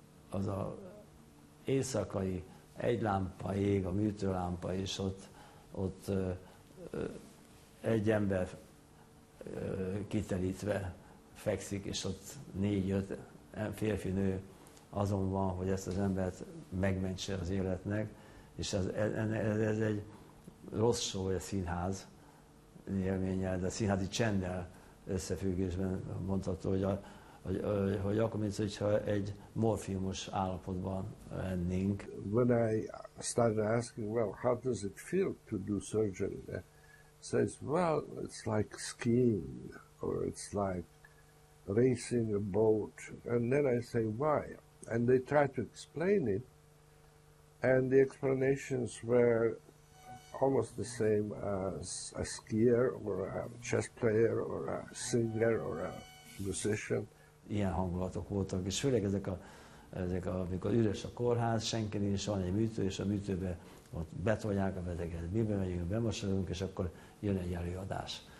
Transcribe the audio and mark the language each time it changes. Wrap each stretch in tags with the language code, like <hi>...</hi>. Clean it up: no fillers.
<hu>az éjszakai egy lámpa ég, a műtőlámpa, és ott egy ember kiterítve fekszik, és ott 4-5 férfi nő azon van, hogy ezt az embert megmentse az életnek, és ez egy rossz show, vagy a színház élménye, de a színházi csenddel összefüggésben mondható, hogy akkor, mint hogyha egy morfiumos állapotban lennénk.</hu> <en>When I started asking, well, how does it feel to do surgery? He says, well, it's like skiing, or it's like racing a boat. And then I say, why? And they try to explain it, and the explanations were almost the same as a skier, or a chess player, or a singer, or a musician.</en> <hu>Ilyen hangulatok voltak, és főleg ezek a, amikor üres a kórház, senki nincs, van egy műtő, és a műtőbe ott betolják a beteget, mibe megyünk, bemosolunk, és akkor jön egy előadás.</hu>